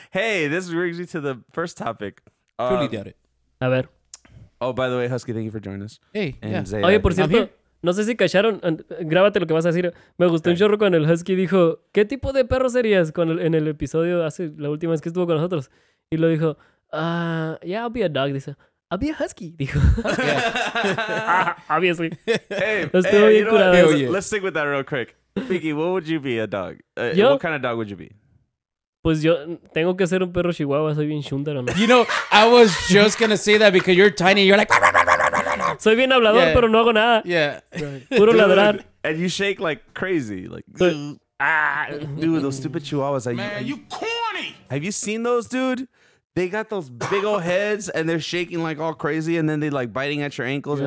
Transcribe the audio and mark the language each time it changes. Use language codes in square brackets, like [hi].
[en] Hey, this brings me to the first topic. Truly doubt it. [es] A ver. [en] Oh, by the way, Husky, thank you for joining us. Hey. And yeah. [es] Zeta, oye, por cierto. No sé si cacharon, grábate lo que vas a decir. Me gustó un chorro cuando el Husky dijo, ¿qué tipo de perro serías? En el episodio, hace la última vez que estuvo con nosotros. Y lo dijo, [en] yeah, I'll be a dog, [es] dice. [en] I'll be a Husky, [es] dijo. [en] Obviously. Hey, [es] estuvo bien, [en] you know, [es] curado. [en] Hey, let's stick with that real quick. Piki, what would you be, a dog? What kind of dog would you be? [es] Pues yo tengo que ser un perro chihuahua, soy bien chundero, ¿no? [en] You know, I was just going to say that because you're tiny. You're like... [es] Soy bien hablador, pero no hago nada. [en] Yeah. [es] Right. Puro ladrar. [en] And you shake like crazy. Like, dude, those stupid chihuahuas. You corny! Have you seen those, dude? They got those big old heads, and they're shaking like all crazy, and then they like biting at your ankles. Yeah.